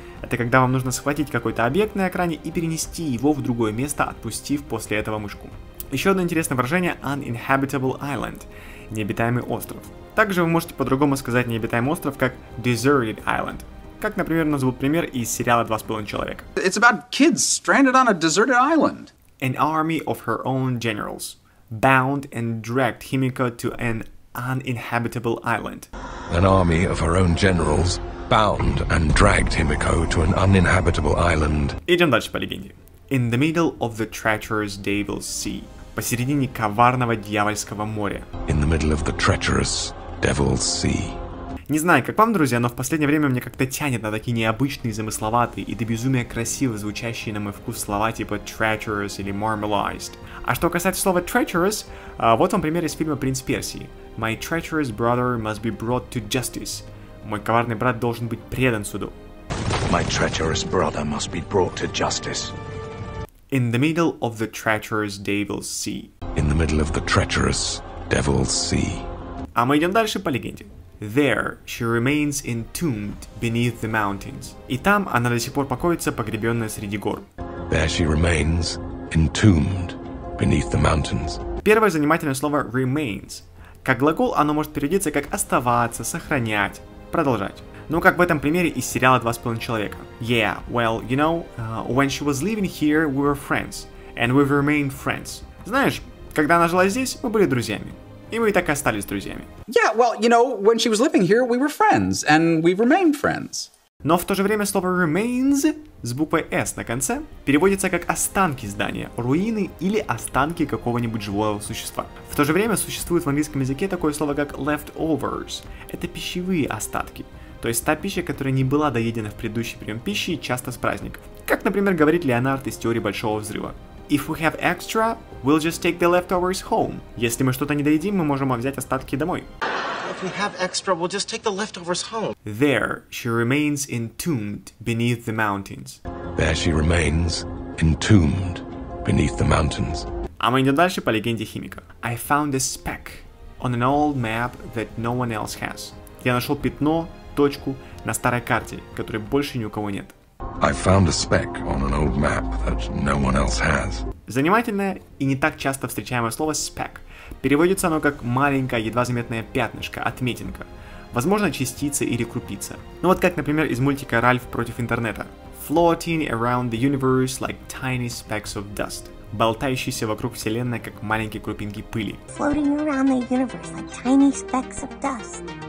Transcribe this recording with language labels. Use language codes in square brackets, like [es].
[ru] Это когда вам нужно схватить какой-то объект на экране и перенести его в другое место, отпустив после этого мышку. Еще одно интересное выражение — uninhabitable island — необитаемый остров. Также вы можете по-другому сказать необитаемый остров как deserted island. Как, например, у нас был пример из сериала «Два с половиной человека». [en] It's about kids stranded on a deserted island. An army of her own generals bound and dragged Himiko to an uninhabitable island. An army of her own generals bound and dragged Himiko to an uninhabitable island. [ru] Идем дальше по легенде. [en] In the middle of the treacherous devil's sea. [ru] Посередине коварного дьявольского моря. [en] In the middle of the treacherous devil's sea. [ru] Не знаю, как вам, друзья, но в последнее время мне как-то тянет на такие необычные, замысловатые и до безумия красиво звучащие на мой вкус слова типа treacherous или marmalized. А что касается слова treacherous, вот вам пример из фильма «Принц Персии». [en] My treacherous brother must be brought to justice. [ru] Мой коварный брат должен быть предан суду. [en] My treacherous brother must be brought to justice. In the middle of the treacherous devil's sea. In the middle of the treacherous devil's sea. [ru] А мы идем дальше по легенде. [en] There she remains entombed beneath the mountains. [ru] И там она до сих пор покоится, погребенная среди гор. [en] There she remains entombed beneath the mountains. [ru] Первое занимательное слово remains. Как глагол оно может переводиться как оставаться, сохранять, продолжать. Ну как в этом примере из сериала «Два с половиной человека». [en] Yeah, well, you know, when she was living here, we were friends. And we've remained friends. [ru] Знаешь, когда она жила здесь, мы были друзьями. И мы и так и остались друзьями. [en] Yeah, well, you know, when she was living here, we were friends, and we've remained friends. [ru] Но в то же время слово remains с буквой S на конце переводится как останки здания, руины или останки какого-нибудь живого существа. В то же время существует в английском языке такое слово как leftovers. Это пищевые остатки. То есть та пища, которая не была доедена в предыдущий прием пищи, часто с праздников. Как, например, говорит Леонард из теории Большого Взрыва. [en] If we have extra, we'll just take the leftovers home. [ru] Если мы что-то не доедим, мы можем взять остатки домой. [en] If we have extra, we'll just take the leftovers home. There she remains entombed beneath the mountains. There she remains entombed beneath the mountains. [ru] А мы идем дальше по легенде Химика. [en] I found a speck on an old map that no one else has. [ru] Я нашел пятно, точку на старой карте, которой больше ни у кого нет. [en] I found a speck on an old map that no one else has. [ru] Занимательное и не так часто встречаемое слово speck. Переводится оно как маленькое, едва заметное пятнышко, отметинка. Возможно, частица или крупица. Ну вот как, например, из мультика «Ральф против интернета». [en] Floating around the universe like tiny specks of dust. [ru] Болтающийся вокруг вселенной, как маленькие крупинки пыли. [en] Floating around the universe like tiny specks of dust.